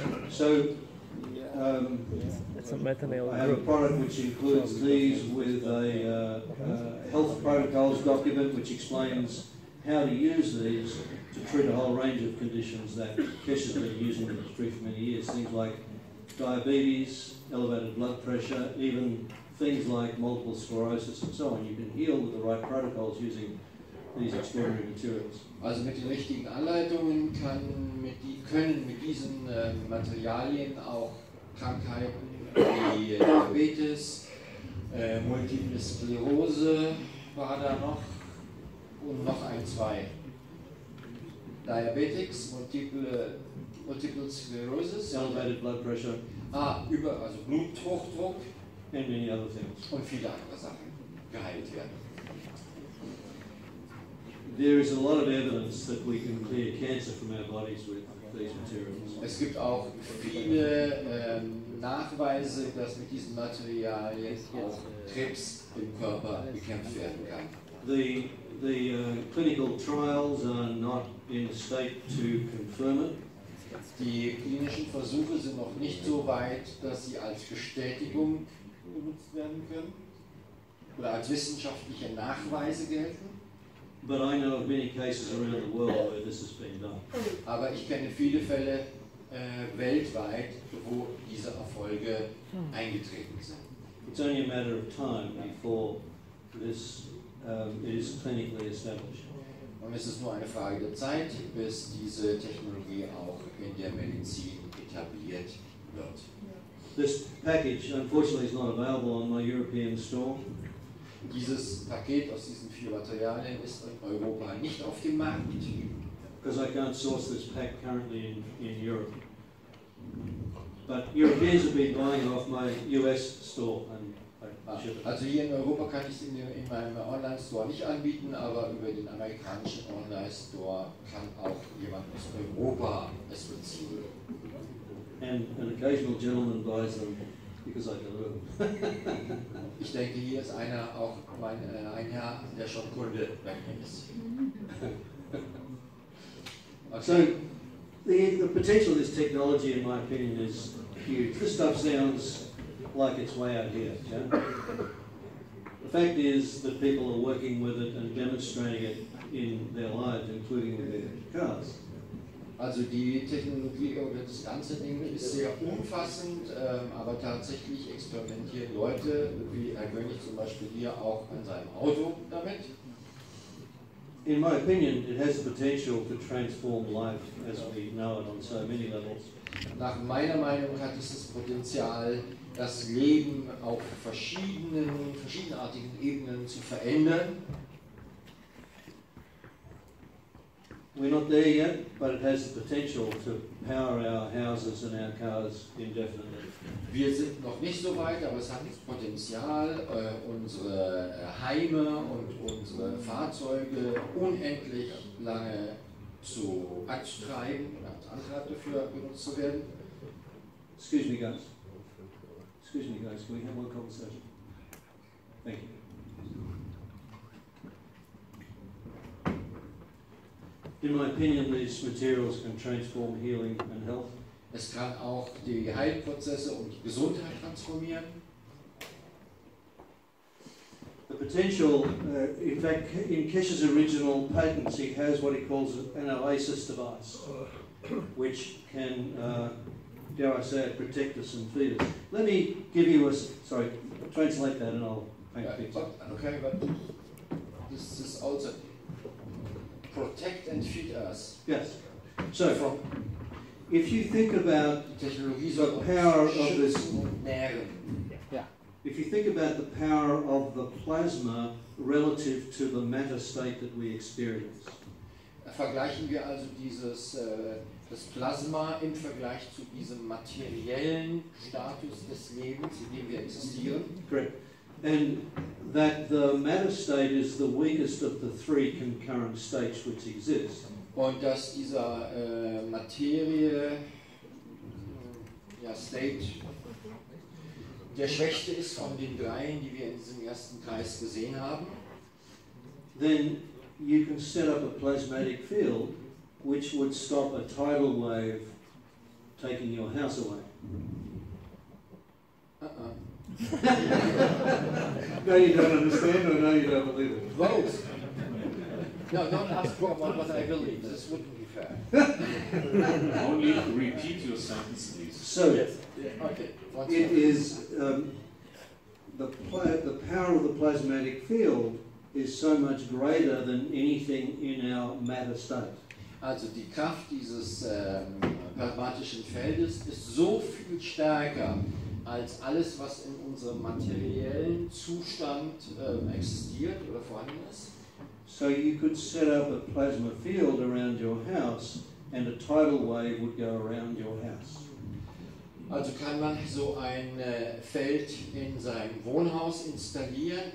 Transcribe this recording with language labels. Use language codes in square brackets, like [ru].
[en] So, I have a product which includes these with a health protocols document which explains how to use these to treat a whole range of conditions that Kesha has been using in the street for many years. Things like diabetes, elevated blood pressure, even things like multiple sclerosis and so on. You can heal with the right protocols using these extraordinary materials. [de] Also mit den richtigen Anleitungen können mit diesen Materialien auch Krankheiten wie Diabetes, Multiple Sklerose war da noch und noch ein, zwei. [en] Diabetics, Multiple Sclerosis. Elevated blood pressure. [de] Also Bluthochdruck. [en] And many other things. [de] Und viele andere Sachen geheilt werden. [en] There is a lot of evidence that we can clear cancer from our bodies with these materials. [de] Es gibt auch viele Nachweise, dass mit diesen Materialien auch Krebs im Körper bekämpft werden kann. [en] The clinical trials are not in a state to confirm it. [de] Die klinischen Versuche sind noch nicht so weit, dass sie als Bestätigung genutzt werden können oder als wissenschaftliche Nachweise gelten. [en] But I know of many cases around the world where this has been done. [de] Aber ich kenne viele Fälle weltweit, wo diese Erfolge eingetreten sind. [en] It's only a matter of time before this is clinically established. [de] Und es ist nur eine Frage der Zeit, bis diese Technologie auch in der Medizin etabliert wird. [en] This package, unfortunately, is not available on my European store. [de] Dieses Paket aus diesen vier Materialien ist in Europa nicht auf dem Markt. [en] Because I can't source this pack currently in Europe. But Europeans have been buying off my US store. And [de] also hier in Europa kann ich es in meinem Online-Store nicht anbieten, aber über den amerikanischen Online-Store kann auch jemand aus Europa es beziehen. [en] And an occasional gentleman buys them because I can live. [de] Ich denke, hier ist einer, auch mein ein Herr, der schon Kunde bei mir ist. [en] Okay. So, the potential of this technology, in my opinion, is huge. This stuff sounds like it's way out here, yeah? The fact is that people are working with it and demonstrating it in their lives, including with their cars. [de] Also die Technologie oder das ganze Ding ist sehr umfassend, aber tatsächlich experimentieren Leute, wie Herr König zum Beispiel hier auch an seinem Auto damit. [en] In my opinion, it has the potential to transform life as we know it on so many levels. [de] Nach meiner Meinung hat es das Potenzial, das Leben auf verschiedenartigen Ebenen zu verändern. [en] We're not there yet, but it has the potential to power our houses and our cars indefinitely. [de] Wir sind noch nicht so weit, aber es hat das Potenzial, unsere Heime und unsere Fahrzeuge unendlich lange zu antreiben und als Antrieb dafür benutzt zu werden. [en] Excuse me, guys. Can we have one conversation? Thank you. In my opinion, these materials can transform healing and health. [de] Es kann auch die Heilprozesse und die Gesundheit transformieren. [en] The potential, in fact, in Kesha's original patents, he has what he calls an oasis device, which can, dare I say, protect us and feed us. Let me give you translate that and I'll paint a picture. Okay, but this is also... Protect and feed us. Yes. So, from, if you think about the power of this, yeah. If you if you think about the power of the plasma relative to the matter state that we experience. [de] Vergleichen wir also dieses das Plasma im Vergleich zu diesem materiellen Status des Lebens, in dem wir existieren. [en] Correct. And that the matter state is the weakest of the three concurrent states which exist. [de] Und dass dieser Materie, ja, State, der schwächste ist von den dreien, die wir in diesem ersten Kreis gesehen haben. [en] Then you can set up a plasmatic field which would stop a tidal wave taking your house away. Uh-uh. No, you don't understand, or no, you don't believe it. Both. No, don't ask for what I believe. This wouldn't be fair. Only repeat your sentence, please. So, yes. Okay. One it second. Is the power of the plasmatic field is so much greater than anything in our matter state. [de] Also die Kraft dieses plasmatischen Feldes ist so viel stärker als alles, was in unserem materiellen Zustand existiert oder vorhanden ist. [en] So you could set up a plasma field around your house and a tidal wave would go around your house. [de] Also kann man so ein Feld in seinem Wohnhaus installieren.